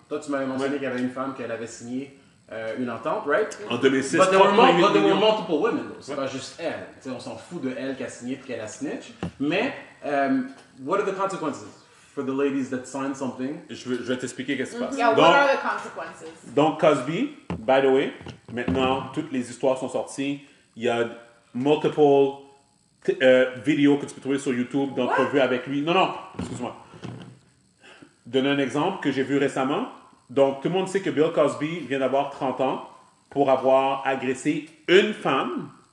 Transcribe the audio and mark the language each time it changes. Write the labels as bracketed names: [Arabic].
[French] Toi, tu m'avais mentionné qu'il y avait une femme qu'elle avait signé une entente, right? En 2006. [English] But there were multiple women. [French] C'est pas juste elle. T'sais, on s'en fout de elle qui a signé puis qu'elle a snitch. Mais, [English] what are the consequences for the ladies that sign something? [French] Je vais t'expliquer qu'est-ce qui se passe. [English] Yeah, [French] donc, [English] what are the consequences? [French] Donc, Cosby, [English] by the way, [French] maintenant, toutes les histoires sont sorties. Il y a multiple vidéos que tu peux trouver sur YouTube, donc tu as vu avec lui. Non, excuse-moi. Donne un exemple que j'ai vu récemment. Donc, tout le monde sait que Bill Cosby vient d'avoir 30 ans pour avoir agressé une femme.